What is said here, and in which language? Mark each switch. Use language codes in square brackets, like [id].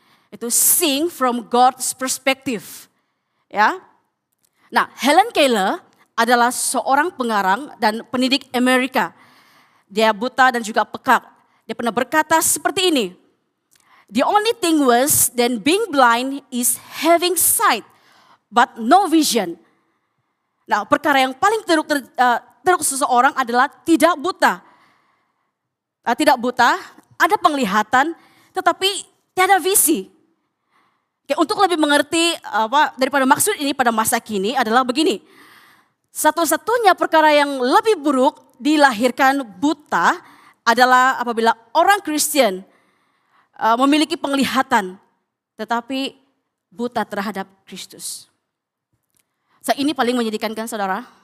[ms] Itu [en] seeing from God's perspective. [ms] Ya. Nah, Helen Keller adalah seorang pengarang dan pendidik Amerika. Dia buta dan juga pekak. Dia pernah berkata seperti ini, [en] "The only thing worse than being blind is having sight, but no vision." [ms] Nah, perkara yang paling teruk seseorang adalah tidak buta. Tidak buta, ada penglihatan, tetapi tiada visi. Oke, untuk lebih mengerti daripada maksud ini pada masa kini adalah begini, satu-satunya perkara yang lebih buruk dilahirkan buta adalah apabila orang Kristen memiliki penglihatan tetapi buta terhadap Kristus. So, ini paling menyedihkan kan saudara?